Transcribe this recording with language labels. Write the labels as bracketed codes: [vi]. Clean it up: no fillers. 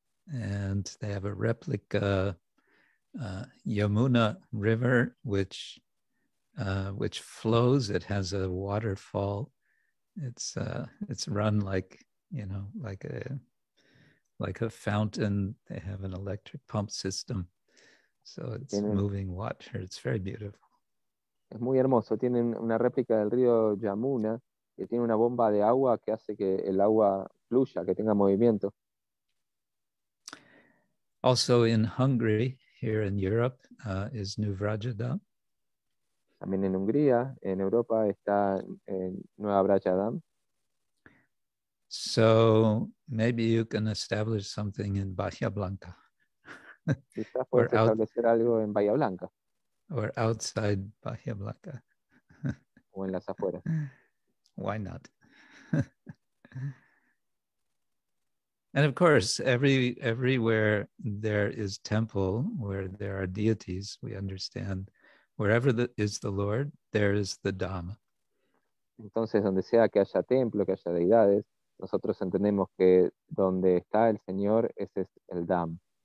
[en] And they have a replica Yamuna River, which flows. It has a waterfall. It's run like, you know, like a fountain. They have an electric pump system, so it's moving water. It's very beautiful. [es] Es muy hermoso. Tienen una réplica del río Yamuna que tiene una bomba de agua que hace que el agua fluya, que tenga movimiento. [en] Also in Hungary, here in Europe, is Nuvrajadam. [es] También en Hungría, en Europa, está Nueva Vrajadam. [en] So maybe you can establish something in Bahía Blanca. [es] Quizás puedes establecer algo en Bahía Blanca. [en] Or outside Bahía Blanca. [es] O en las afueras. [en] Why not? And of course, everywhere there is temple, where there are deities, we understand. Wherever is the Lord, there is the Dhamma. [es] Entonces, donde sea que haya templo, que haya deidades, nosotros entendemos que donde está el Señor, ese es el Dhamma.